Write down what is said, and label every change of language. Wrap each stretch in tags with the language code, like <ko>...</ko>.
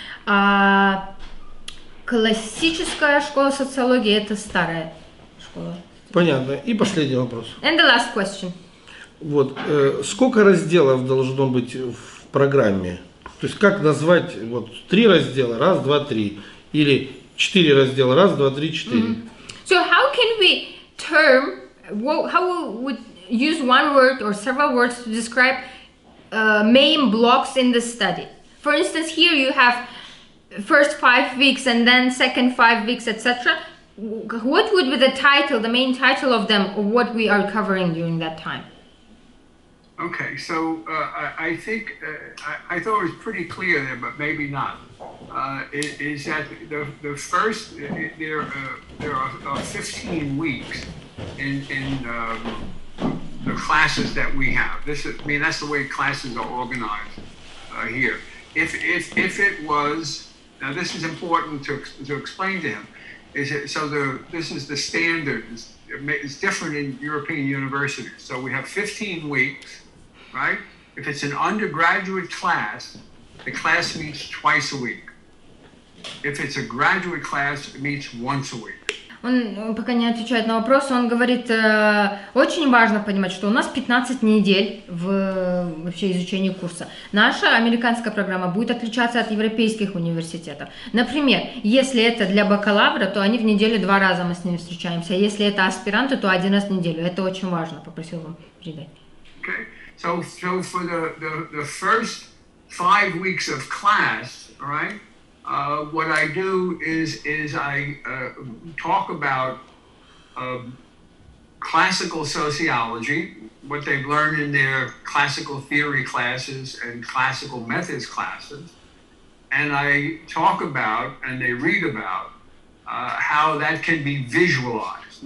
<ru>А классическая школа социологии – это старая школа. Понятно. И последний вопрос.</ru> <en>And the last question.</en> <ru>Вот. Сколько разделов должно быть в программе? То есть как назвать вот три раздела, раз, два, три. Или четыре раздела, раз, два, три, четыре. Mm-hmm.</ru> <en>So how can we term, how would use one word or several words to describe main blocks in the study? For instance, here you have first 5 weeks and then second 5 weeks, etc. What would be the title, the main title of them, or what we are covering during that time? Okay, so I thought it was pretty clear there, but maybe not. Is that the first, there are 15 weeks in the classes that we have. That's the way classes are organized here. If it was, now this is important to explain to him, this is the standard. It's different in European universities. So we have 15 weeks, right? If it's an undergraduate class, the class meets twice a week. If it's a graduate class, it meets once a week.</en> <ru>Он пока не отвечает на вопрос, он говорит, очень важно понимать, что у нас 15 недель в вообще изучении курса. Наша американская программа будет отличаться от европейских университетов. Например, если это для бакалавра, то они в неделю два раза мы с ними встречаемся. Если это аспиранты, то один раз в неделю. Это очень важно, попросил вам передать.</ru> <en>Okay. So for the first 5 weeks of class, right? What I do is I talk about classical sociology, what they've learned in their classical theory classes and classical methods classes, and I talk about and they read about how that can be visualized.</en>